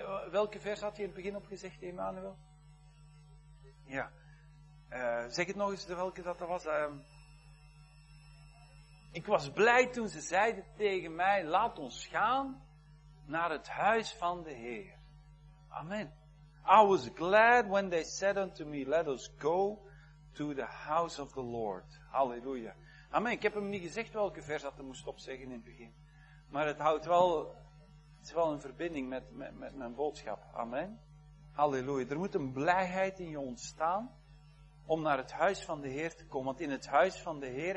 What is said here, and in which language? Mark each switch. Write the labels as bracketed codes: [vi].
[nl] Welke vers had je in het begin opgezegd, Emmanuel? Ja. Zeg het nog eens, welke dat was. Ik was blij toen ze zeiden tegen mij, laat ons gaan naar het huis van de Heer. Amen. [en] I was glad when they said unto me, let us go to the house of the Lord. Halleluja. Amen. [nl] Ik heb hem niet gezegd welke vers dat hij moest opzeggen in het begin. Maar het houdt wel... Het is wel een verbinding met mijn boodschap. Amen. Halleluja. Er moet een blijheid in je ontstaan om naar het huis van de Heer te komen. Want in het huis van de Heer...